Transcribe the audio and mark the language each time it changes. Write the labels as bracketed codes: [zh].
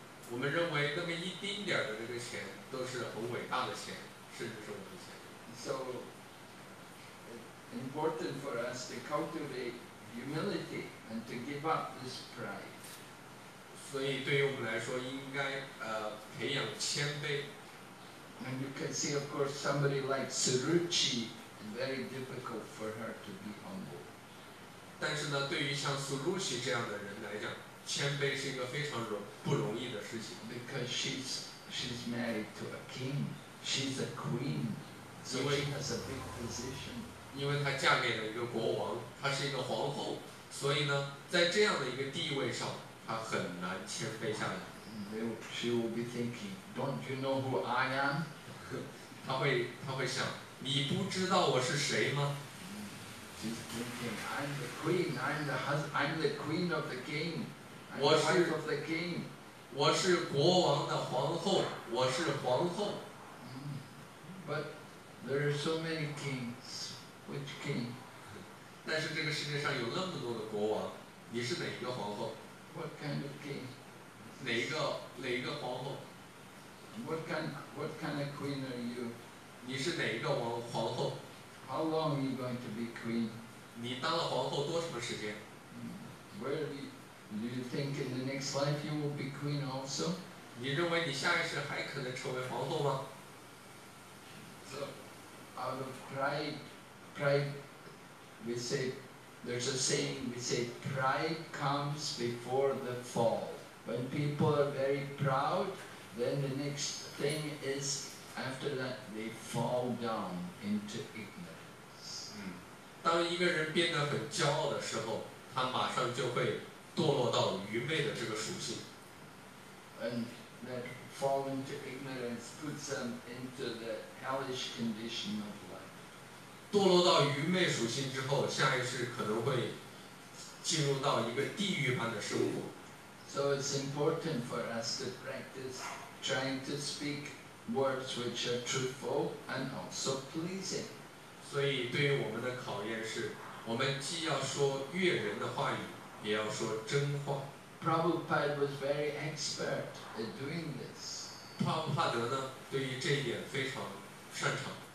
[zh] 我们认为那么一丁点的这个钱都是很伟大的钱，甚至是我们的钱。 [en] So important for us to cultivate humility and to give up this pride. [zh] 所以对于我们来说，应该培养谦卑。 [en] And you can see, of course, somebody like Suruchi. Very difficult for her to be humble. [zh] 但是呢，对于像苏鲁西这样的人来讲，谦卑是一个非常不容易的事情。 [en] Because she's married to a king, she's a queen, so she has a big position. [zh] 因为她嫁给了一个国王，她是一个皇后，所以呢，在这样的一个地位上，她很难谦卑下来。 [en] She will be thinking, "Don't you know who I am?" [zh] 她会想。你不知道我是谁吗？ [en] She's thinking, I'm the queen, I'm the queen of the king, I'm the wife of the king. [zh] 我是国王的皇后，我是皇后。 [en] But there are so many kings, which king? [zh] 但是这个世界上有那么多的国王，你是哪一个皇后？ [en] What kind of king? [zh] 哪一个皇后？ [en] What kind of queen are you? [zh] 你是哪一个王皇后 [en] ？How long are you going to be queen？ [zh] 你当了皇后多长时间 [en] ？Where do you think in the next life you will be queen also？ [zh] 你认为你下一世还可能成为皇后吗 [en] ？So out of pride, we say there's a saying. We say pride comes before the fall. When people are very proud, then the next thing is After that, they fall down into ignorance. [zh] 当一个人变得很骄傲的时候, 他马上就会堕落到愚昧的这个属性。 [en] And that fall into ignorance puts them into the hellish condition of life. [zh] 堕落到愚昧属性之后, 下意识可能会进入到一个地狱般的生活。 [en] So it's important for us to practice trying to speak words which are truthful and also pleasing. [zh] 所以对于我们的考验是, 我们既要说悦人的话语, 也要说真话。 [en] Prabhupada was very expert at doing this. [zh] 帕帕德呢, 对于这一点非常擅长。